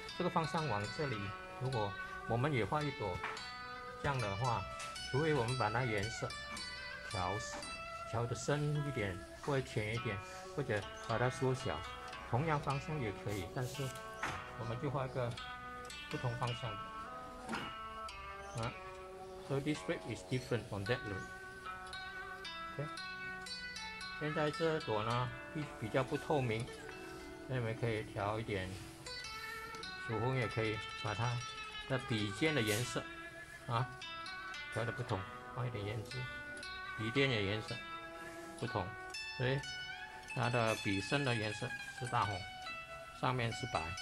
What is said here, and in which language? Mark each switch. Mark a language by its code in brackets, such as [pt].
[zh] 这个方向往这里，如果我们也画一朵这样的话，除非我们把那颜色调的深一点，或者浅一点，或者把它缩小，同样方向也可以，但是。我们就画一个不同方向的， [en] So this rib is different from that rib. Okay. [zh] 现在这朵呢 比较不透明，所以我们可以调一点曙红，也可以把它的笔尖的颜色啊调的不同，放一点胭脂，笔尖的颜色不同，所以它的笔身的颜色是大红，上面是白。